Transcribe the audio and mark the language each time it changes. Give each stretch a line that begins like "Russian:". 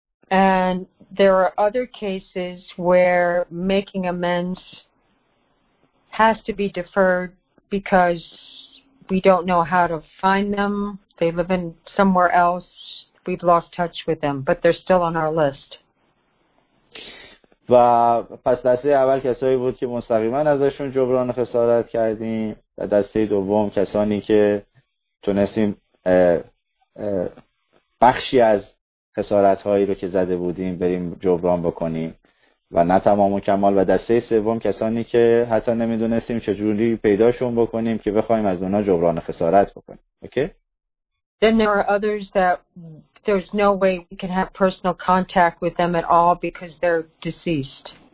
English: And there are other cases where making amends has to be deferred because we don't know how to find them. They live in somewhere else. We've lost touch with them, but they're still on our list.
Persian: و پس دسته اول کسایی بود که مستقیما ازشون جبران خسارت کردیم، و دسته دوم کسانی که تونستیم بخشی از خسارت‌هایی رو که زده بودیم بریم جبران بکنیم و نه تمام و کمال، و دسته سوم کسانی که حتی نمیدونستیم چجوری پیداشون بکنیم که بخوایم از اونا جبران خسارت بکنیم.
English: Okay? Then there are others that there's no way we can have personal contact with them at all because they're deceased.